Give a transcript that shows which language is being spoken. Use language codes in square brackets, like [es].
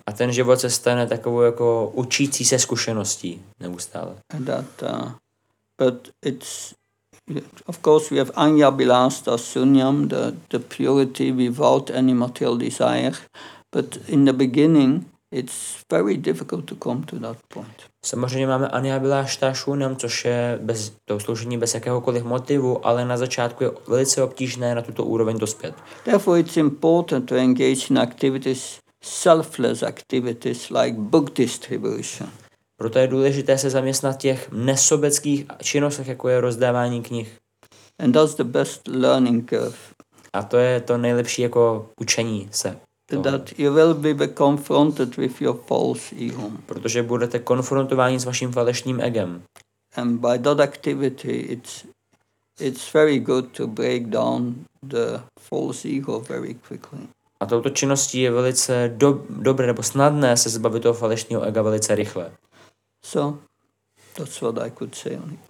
[cs] A ten život se stane takovou jako učící se zkušeností neustále. [en] But it's of course we have anya bilasta sunyam, the purity without any material desire, but in the beginning it's very difficult to come to that point. [cs] Samozřejmě máme anya bilasta sunyam, což je bez toho sloužení bez jakéhokoliv motivu, ale na začátku je velice obtížné na tuto úroveň dospět. [en] Therefore it's important to engage in activities, selfless activities like book distribution. [cs] Proto je důležité se zaměstnat těch nesobeckých činnostech, jako je rozdávání knih. [en] And that's the best learning curve. [cs] A to je to nejlepší jako učení se. [en] That you will be confronted with your false ego. [cs] Protože budete konfrontováni s vaším falešným egem. [en] And by that activity it's very good to break down the false ego very quickly. [cs] A touto činností je velice dobré nebo snadné se zbavit toho falešného ega velice rychle. [en] So, that's what I could say on it.